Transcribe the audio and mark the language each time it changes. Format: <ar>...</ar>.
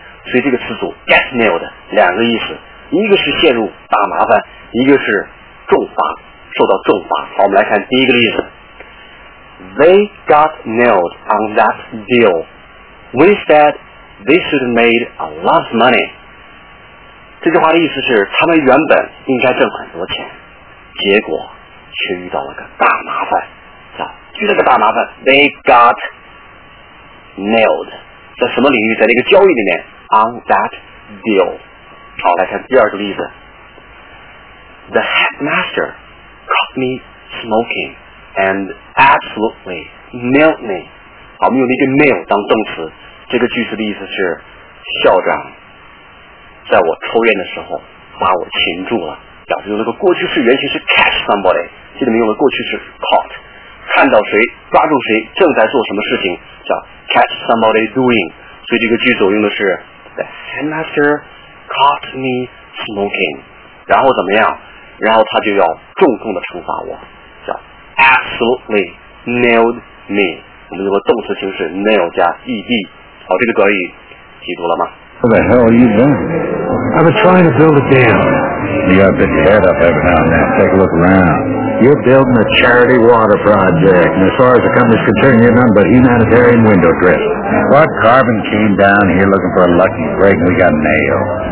<zh>所以这个词组 get nailed 两个意思，一个是陷入大麻烦，一个是重罚，受到重罚。好，我们来看第一个例子。</zh> <en>They got nailed on that deal. We said they should have made a lot of money.</en> <zh>这句话的意思是，他们原本应该挣很多钱，结果却遇到了个大麻烦。遇到个大麻烦，</zh> <en>They got nailed.</en> <zh>在什么领域？在那个交易里面，</zh> <en>on that deal.</en> <zh>好，来看第二个例子。</zh> <en>The headmaster caught me smoking and absolutely nailed me.</en> <zh>好，我们用那个 nail 当动词，这个句子的意思是校长在我抽烟的时候把我擒住了，表示这个过去式原形是 catch somebody， 这里面用的过去式 caught， 看到谁，抓住谁正在做什么事情，叫 catch somebody doing。所以这个句子我用的是</zh> <en>the headmaster caught me smoking，</en> <zh>然后怎么样，然后他就要重重的惩罚我，叫</zh> <en>absolutely nailed me。</en> <zh>我们用的动词形式 nail 加 ed。好，这个短语记住了吗？</zh> <en>Where the hell are you then? I've been trying to build a dam. You gotta pick your head up every now and then. Take a look around. You're building a charity water project, and as far as the company's concerned, you're none but humanitarian window dressing. What carbon came down here looking for a lucky break, and we got nailed.</en>